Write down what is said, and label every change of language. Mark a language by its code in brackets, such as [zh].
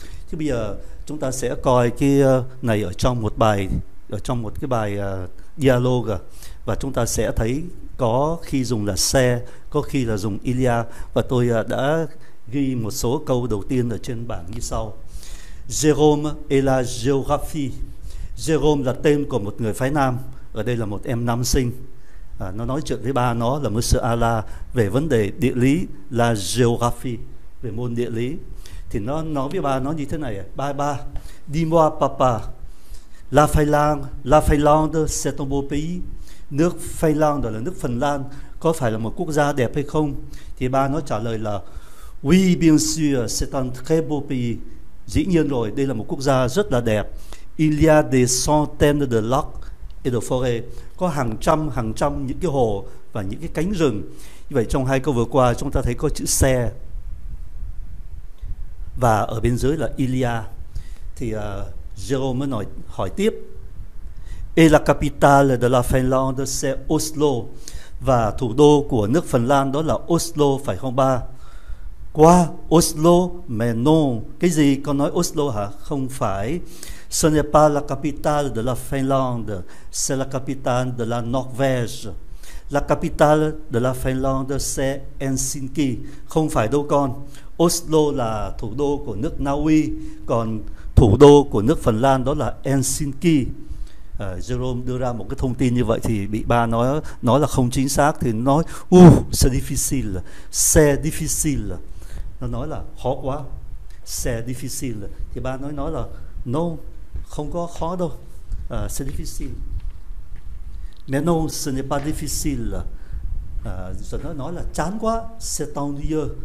[vi] Chứ bây giờ chúng ta sẽ coi cái này ở trong một bài, ở trong một cái bài dialogue. Và chúng ta sẽ thấy có khi dùng là se, có khi là dùng ilia. Và tôi đã ghi một số câu đầu tiên ở trên bảng như sau. [fr] Jérôme et la géographie. [vi] Jérôme là tên của một người phái nam. Ở đây là một em nam sinh. Nó nói chuyện với ba nó là Monsieur Ala về vấn đề địa lý, [fr] la géographie, [vi] về môn địa lý. Thì nó nói với ba nó như thế này. [fr] Ba, dis-moi papa, la Finlande, c'est un beau pays. [vi] Nước Finlande là nước Phần Lan, có phải là một quốc gia đẹp hay không? Thì ba nó trả lời là [fr] oui, bien sûr, c'est un très beau pays. [vi] Dĩ nhiên rồi, đây là một quốc gia rất là đẹp. [fr] Il y a des centaines de lacs et de forêts. [vi] Có hàng trăm những cái hồ và những cái cánh rừng. Như vậy trong hai câu vừa qua chúng ta thấy có chữ se và ở bên dưới là il y a. Thì Jérôme mới hỏi tiếp. [fr] Et la capitale de la Finlande, c'est Oslo. [vi] Và thủ đô của nước Phần Lan đó là Oslo, phải không ba? [fr] Quoi? Oslo? Mais non. [vi] Cái gì? Con nói Oslo hả? Không phải. [fr] Ce n'est pas la capitale de la Finlande, c'est la capitale de la Norvège. La capitale de la Finlande, c'est Helsinki. [vi] Không phải đâu con. Oslo là thủ đô của nước Na Uy, còn thủ đô của nước Phần Lan đó là Helsinki. Jerome đưa ra một cái thông tin như vậy thì bị ba nói là không chính xác. Thì nói [fr] c'est difficile. [vi] Nó nói là khó quá, [fr] c'est difficile. [vi] Thì ba nói là no, không có khó đâu, [fr] c'est difficile. Mais non, ce n'est pas difficile. [vi] Rồi nó nói là chán quá, [fr] c'est ennuyeux.